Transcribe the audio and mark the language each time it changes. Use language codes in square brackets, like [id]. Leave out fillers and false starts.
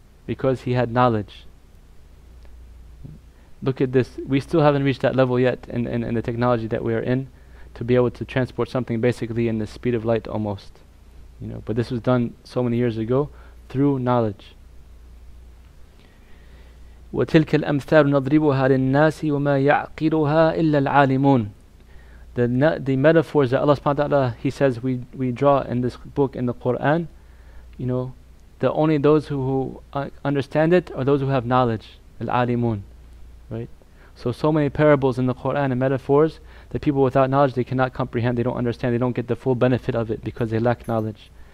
[en] Because he had knowledge. Look at this, we still haven't reached that level yet in the technology that we are in, to be able to transport something basically in the speed of light almost, you know. But this was done so many years ago through knowledge. [ar] وتلك الأمثال نضربها للناس وما يعقلها إلا العالمون. [en] The metaphors that Allah subhanahu wa ta'ala, He says, we draw in this book in the Quran, you know, the only those who understand it are those who have knowledge, العالمون, right? So many parables in the Quran and metaphors that people without knowledge, they cannot comprehend, they don't understand, they don't get the full benefit of it because they lack knowledge.